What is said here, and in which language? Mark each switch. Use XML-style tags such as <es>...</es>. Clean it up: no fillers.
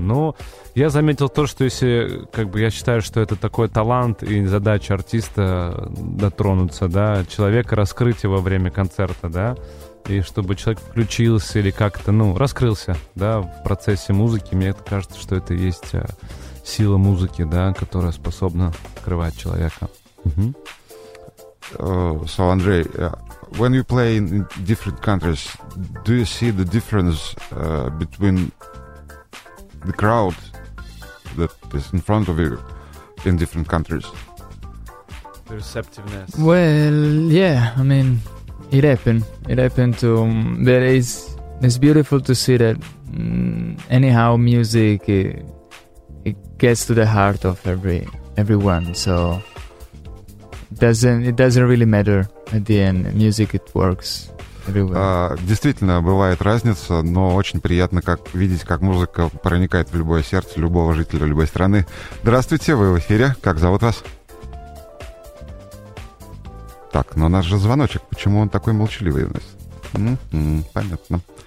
<ru>Но я заметил то, что если, как бы, я считаю, что это такой талант и задача артиста дотронуться, да, человека раскрыть его во время концерта, да, и чтобы человек включился или как-то, ну, раскрылся, да, в процессе музыки, мне кажется, что это есть сила музыки, да, которая способна открывать человека. Угу.</ru> <en>So, Andrei, when you play in different countries, do you see the difference between the crowd that is in front of you in different countries? The receptiveness. Well, yeah, I mean, it happened. It happened to... It's beautiful to see that anyhow music it gets to the heart of everyone, so... It doesn't really matter at the end. Music, it works everywhere.</en> <ru>Действительно, бывает разница, но очень приятно видеть, как музыка проникает в любое сердце любого жителя любой страны. Здравствуйте, вы в эфире. Как зовут вас? Так, но у нас же звоночек. Почему он такой молчаливый у нас? Понятно.</ru>